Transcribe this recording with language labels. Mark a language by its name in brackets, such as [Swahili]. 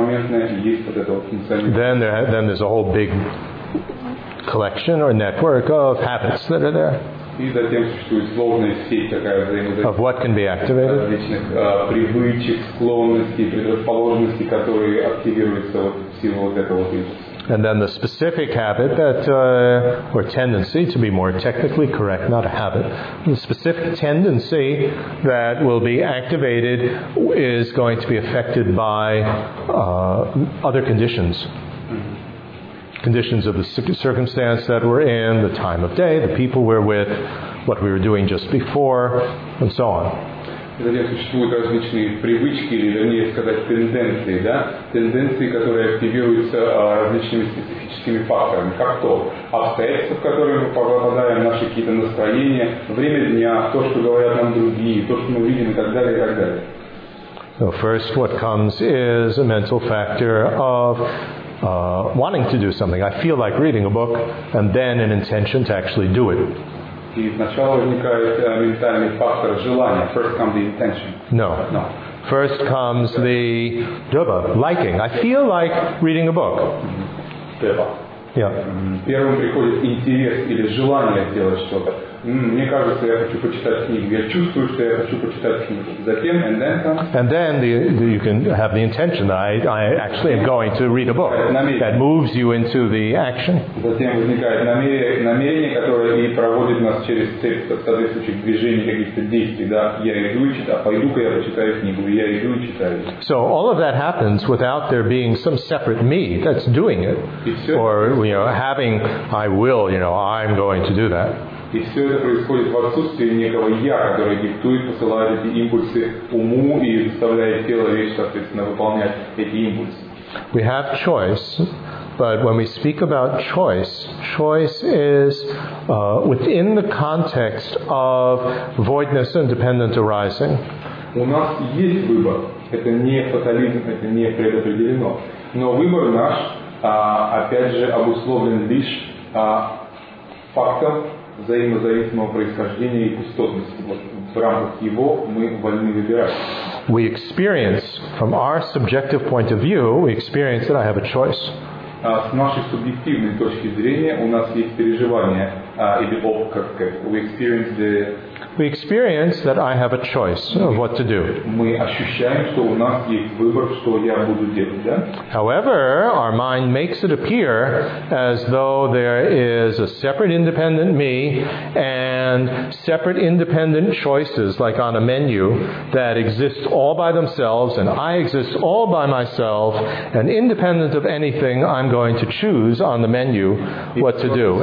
[English] Then there's a whole big collection or network of habits that are there. [Russian] И затем существует сложная сеть, такая взаимодействия различных привычек, склонностей, предрасположенностей, которые активируются вот в силу вот этого импульса. [English] And then the specific habit that, or tendency, to be more technically correct, not a habit, the specific tendency that will be activated is going to be affected by other conditions. Conditions of the circumstance that we're in, the time of day, the people we're with, what we were doing just before, and so on. [Russian] Затем существуют различные привычки, или вернее сказать, тенденции, да? Тенденции, которые активируются различными специфическими факторами, как то обстоятельства, в которые мы попадаем, наши какие-то настроения, время дня, то, что говорят нам другие, то, что мы видим, и так далее, и так далее. [English] So first, what comes is a mental factor of wanting to do something. I feel like reading a book, and then an intention to actually do it. [Russian] И сначала возникает ментальный фактор желания. [English] First comes the intention. No. No. First comes the dubba, liking. I feel like reading a book. Dubba. Yeah. [Russian] Первым приходит интерес или желание сделать что-то. Мне кажется, я хочу почитать книгу. Я чувствую, что я хочу почитать книгу. Затем, [English] and then comes. And then you can have the intention. I actually am going to read a book. That moves you into the action. [Russian] Затем возникает намерение, которое и проводит нас через цепь соответствующих движений, каких-то действий. Да, я иду и читаю. Пойду-ка я почитаю книгу. Я иду и читаю. [English] So all of that happens without there being some separate me that's doing it, or you know, having I will, you know, I'm going to do that. [Russian] И все это происходит в отсутствии некого «я», который диктует, посылает эти импульсы уму и заставляет тело, речь, соответственно, выполнять эти импульсы. [English] We have choice, but when we speak about choice, choice is within the context of voidness and dependent arising. [Russian] У нас есть выбор. Это не фатализм, это не предопределено. Но выбор наш, опять же, обусловлен лишь фактом, взаимозависимого происхождения и пустотности. Вот, в рамках его мы вольны выбирать. [English] We experience, from our subjective point of view, we experience that I have a choice. [Russian] С нашей субъективной точки зрения у нас есть переживание, или опыт, как сказать. [English] We experience the... we experience that I have a choice of what to do. However, our mind makes it appear as though there is a separate independent me and separate independent choices, like on a menu, that exist all by themselves, and I exist all by myself, and independent of anything, I'm going to choose on the menu what to do.